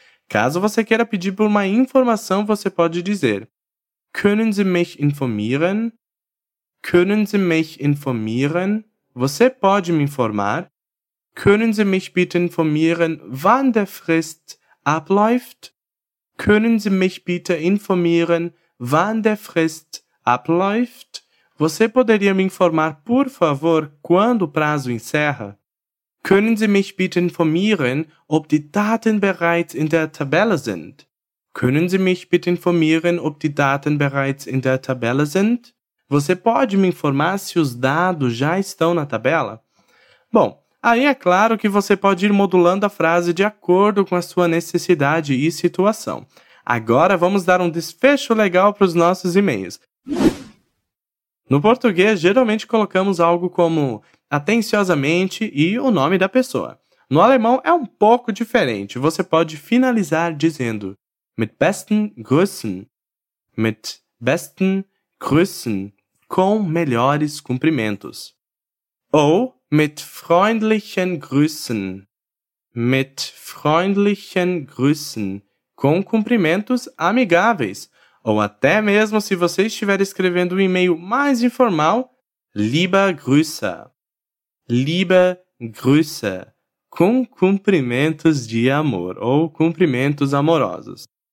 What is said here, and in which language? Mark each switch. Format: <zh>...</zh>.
<pt>Caso você queira pedir por uma informação, você pode dizer</pt> <de>Können Sie mich informieren? Können Sie mich informieren?</de> <pt>Você pode me informar?</pt> <de>Können Sie mich bitte informieren, wann der Frist abläuft? Können Sie mich bitte informieren, wann der Frist abläuft?</de> <pt>Você poderia me informar, por favor, quando o prazo encerra?</pt> <de>Können Sie mich bitte informieren, ob die Daten bereits in der Tabelle sind? Können Sie mich bitte informieren, ob die Daten bereits in der Tabelle sind?</de> <pt>Você pode me informar se os dados já estão na tabela? Bom, aí é claro que você pode ir modulando a frase de acordo com a sua necessidade e situação. Agora vamos dar um desfecho legal para os nossos e-mails. No português, geralmente colocamos algo como atenciosamente e o nome da pessoa. No alemão, é um pouco diferente. Você pode finalizar dizendo</pt> <de>Mit besten Grüßen. Mit besten Grüßen.</de> <pt>Com melhores cumprimentos.</pt> <de>Ou Mit freundlichen Grüßen. Mit freundlichen Grüßen.</de> <pt>Com cumprimentos amigáveis. Ou até mesmo se você estiver escrevendo um e-mail mais informal,</pt> <de>Liebe Grüße. Liebe Grüße.</de> <pt>Com cumprimentos de amor ou cumprimentos amorosos.</pt>